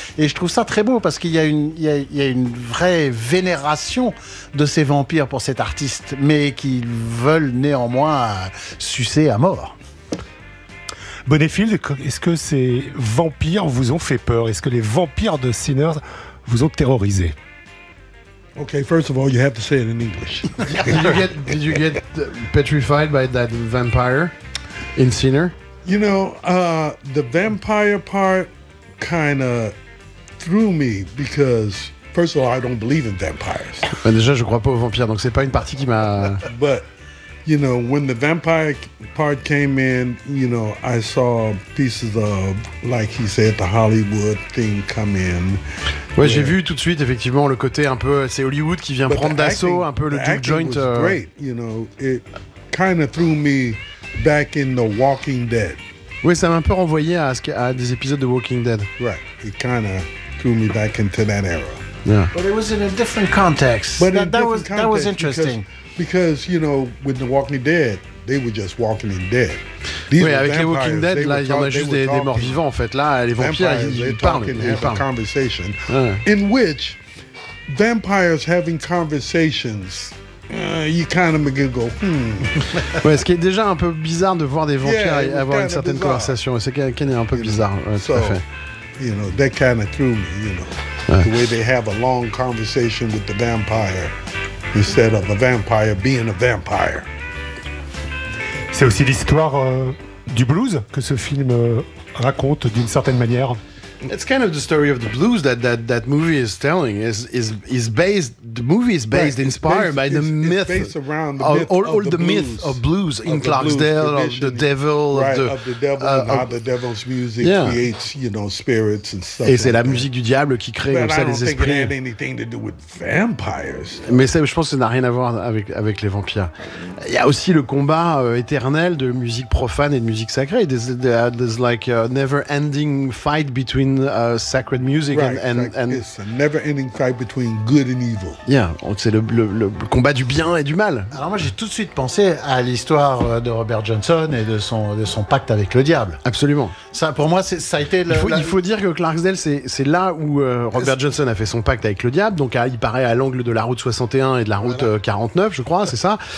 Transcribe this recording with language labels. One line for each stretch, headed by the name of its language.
French: Et je trouve ça très beau parce qu'il y a une vraie vénération de ces vampires pour cet artiste, mais qu'ils veulent néanmoins sucer à mort. Bonnefield, est-ce que ces vampires vous ont fait peur? Est-ce que les vampires de Sinners vous ont terrorisé?
English: Okay, first of all, you have to say it in English. Did you get petrified by that vampire in Sinners? You know, the vampire part kind of threw me because, first of all, I don't believe in vampires.
French: Mais déjà, je crois pas aux vampires, donc c'est pas une partie qui m'a.
English: But, you know, when the vampire part came in, you know, I saw pieces of, like he said, the Hollywood thing come in.
French: Ouais, where... j'ai vu tout de suite effectivement le côté un peu, c'est Hollywood qui vient
English: But
French: prendre
English: acting,
French: d'assaut un peu le juke joint.
English: Was great, you know, it kind of threw me back in The Walking Dead.
French: Oui, ça m'a un peu renvoyé à des épisodes de Walking Dead.
English: Right, it kind of threw me back into that era. Yeah. But it was in a different context. That was interesting. Because you know, with The Walking Dead, they were just walking in dead.
French: These oui, avec vampires, les Walking Dead, là, il y en a juste des morts vivants, en fait. Là, les vampires, ils parlent. Conversation, ouais.
English: In which vampires having conversations, you kind of begin to go, hmm.
French: Ouais, ce qui est déjà un peu bizarre de voir des vampires avoir une certaine conversation. C'est quand même un peu bizarre,
English: you know,
French: tout à fait.
English: You know, that kind of threw me, you know. Ouais. The way they have a long conversation with the vampire instead of a vampire being a vampire.
French: C'est aussi l'histoire du blues que ce film raconte d'une certaine manière.
English: It's kind of the story of the blues that movie is telling. The movie is based inspired by the myth of blues in Clarksdale, of the devil, of the devil's music yeah. creates, you know, spirits and stuff.
French: Et c'est like la musique du diable qui crée comme ça les esprits.
English: But I don't think it had anything to do with vampires.
French: Mais ça, je pense que ça n'a rien à voir avec les vampires. Il y a aussi le combat éternel de musique profane et de musique sacrée.
English: There's like a never-ending fight between sacred music and it's a never-ending fight between good and evil.
French: Yeah, c'est le combat du bien et du mal. Alors moi, j'ai tout de suite pensé à l'histoire de Robert Johnson et de son pacte avec le diable. Absolument. Ça, pour moi, ça a été. Il faut dire que Clarksdale, c'est là où Robert Johnson a fait son pacte avec le diable. Donc, il paraît à l'angle de la route 61 et de la route 49, je crois, c'est ça.